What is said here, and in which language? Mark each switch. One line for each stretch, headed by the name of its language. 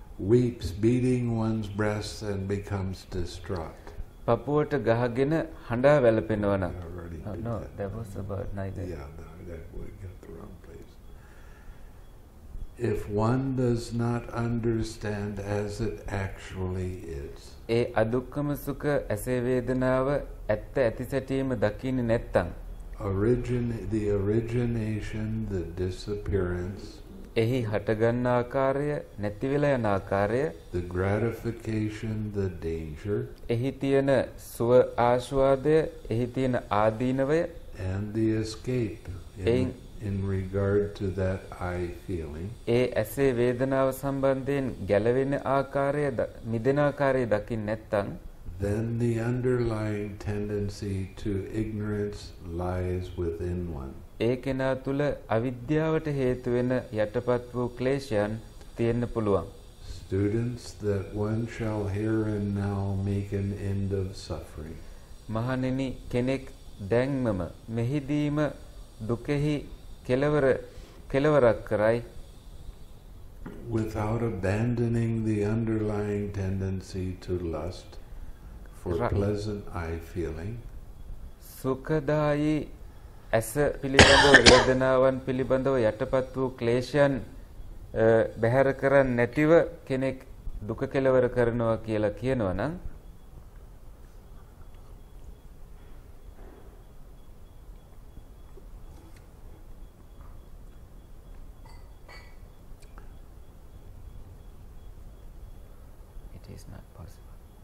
English: Weeps, beating one's breast and becomes distraught.
Sinhala: පපුවට ගහගෙන හඬා වැළපෙනවා නම්.
English: No, that was about neither. Yeah, no, that would get the wrong place. If one does not understand as it actually is.
Sinhala: ඒ අදුක්කම සුඛ ඇසේ වේදනාව ඇත්ත ඇතිසැටීම දකින්නේ නැත්තම්.
English: The origination, the disappearance.
Sinhala: එහි හටගන්න ආකාරය නැති වෙලා යන ආකාරය
English: the gratification the danger
Sinhala: එහි තියෙන සුව ආස්වාදය එහි තියෙන ආදීනවය
English: and the escape in regard to that eye feeling
Sinhala: ඒ ඇසේ වේදනාව සම්බන්ධයෙන් ගැලවෙන ආකාරය මිදෙන ආකාරය දකින්න නැත්නම්
English: then the underlying tendency to ignorance lies within one
Sinhala: ඒ කෙනා තුල අවිද්‍යාවට හේතු වෙන යටපත් වූ ක්ලේශයන් තියෙන්න පුළුවන්.
English: Students that one shall here and now make an end of suffering.
Sinhala: මහණෙනි කෙනෙක් දැන්මම මෙහිදීම දුකෙහි කෙලවරක් කරයි.
English: Without abandoning the underlying tendency to lust for pleasant eye feeling.
Sinhala: සුඛදායි ඇස පිළිබඳව වේදනාවන් පිළිබඳව යටපත් වූ ක්ලේශයන් බැහැර කරන්නේ නැතිව කෙනෙක් දුක කෙලවර කරනවා කියලා කියනවා නම්
English: It is not possible.